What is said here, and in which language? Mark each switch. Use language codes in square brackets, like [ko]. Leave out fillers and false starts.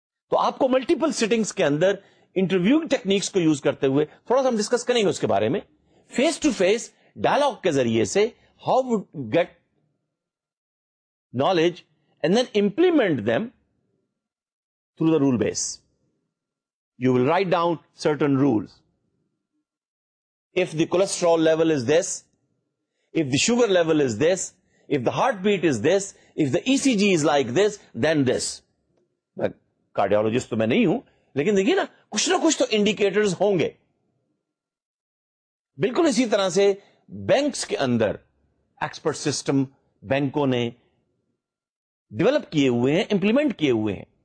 [ur] تو آپ کو ملٹیپل سیٹنگس کے اندر انٹرویوئنگ ٹیکنیکس کو یوز کرتے ہوئے تھوڑا سا ہم ڈسکس کریں گے اس کے بارے میں, فیس ٹو فیس ڈائلگ کے ذریعے سے [en] How would get knowledge and then implement them through the rule base. You will write down certain rules, if the cholesterol level is this, if the sugar level is this, if the heart beat is this, if the E C G is like this, then this. [ur] میں cardiologist تو میں نہیں ہوں, لیکن دیکھیے نا کچھ نہ کچھ تو انڈیکیٹرز ہوں گے. بالکل اسی طرح سے بینکس کے اندر ایکسپرٹ سسٹم بینکوں نے ڈیولپ کیے ہوئے ہیں, امپلیمنٹ کیے ہوئے ہیں.